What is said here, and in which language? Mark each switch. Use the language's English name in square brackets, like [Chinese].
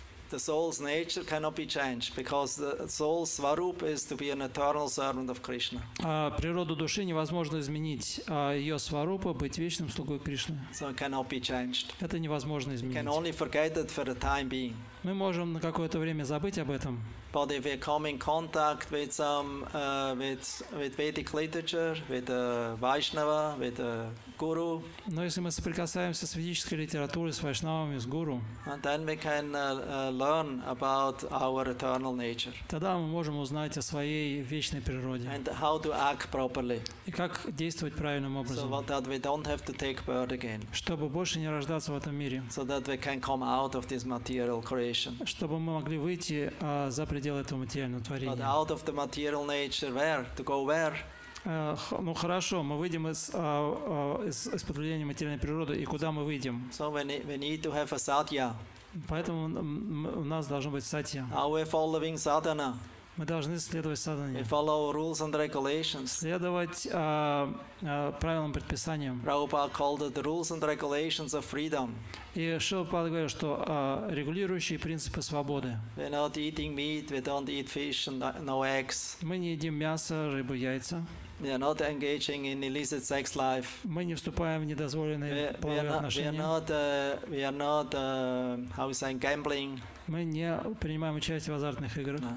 [English] The soul's nature cannot be changed because the soul's swarup is to be an eternal servant of Krishna. [Russian] Природу души невозможно изменить, ее сварупа быть вечным слугой Кришны. [English] So it cannot be changed. [Russian] Это невозможно изменить. [English] We can only forget it for the time being. [Russian] Мы можем на какое-то время забыть об этом. [English] but if we come in contact with some with Vedic literature, with Vaishnava, with Guru. [Russian] Но если мы соприкасаемся с ведической литературой, с Вайшнавами, с Гуру, [English] and then we can learn about our eternal nature. [Russian] Тогда мы можем узнать о своей вечной природе. [English] And how to act properly. [Russian] И как действовать правильным образом. [English] So that we don't have to take birth again. [Russian] Чтобы больше не рождаться в этом мире. [English] So that we can come out of this material creation. [Russian] Чтобы мы могли выйти за пределы этого материального творения. [English] But out of the material nature, where to go? Where? [Russian] Ну хорошо, мы выйдем из под влияния материальной природы, и куда мы выйдем? [English] So we need to have a satya. [Russian] Поэтому у нас должно быть сатья. [English] Are we following sadhana? [Russian] Мы должны следовать садхане. [English] We follow rules and regulations. [Russian] Следовать правилам и предписаниям. [English] Prabhupada called it the rules and regulations of freedom. [Russian] И Шрила Прабхупада говорил, что регулирующие принципы свободы. [English] We're not eating meat, we don't eat fish and no eggs. [Russian] Мы не едим мясо, рыбу, яйца. [English] We are not engaging in illicit sex life. [Russian] Мы не вступаем в недозволенные половые отношения. [English] We are not gambling. [Russian] Мы не принимаем участие в азартных играх.